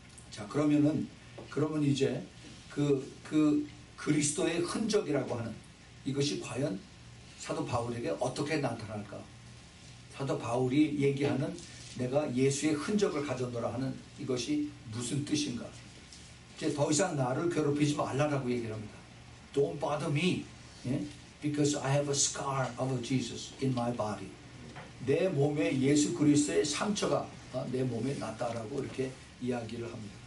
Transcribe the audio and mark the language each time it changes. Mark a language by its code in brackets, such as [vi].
[ko] 자 그러면 이제 그 그리스도의 흔적이라고 하는 이것이 과연 사도 바울에게 어떻게 나타날까? 사도 바울이 얘기하는 내가 예수의 흔적을 가져오라 하는 이것이 무슨 뜻인가? 이제 더 이상 나를 괴롭히지 말라라고 얘기를 합니다. [en] Don't bother me, because I have a scar of Jesus in my body. [ko] 내 몸에 예수 그리스도의 상처가 내 몸에 났다라고 이렇게 이야기를 합니다.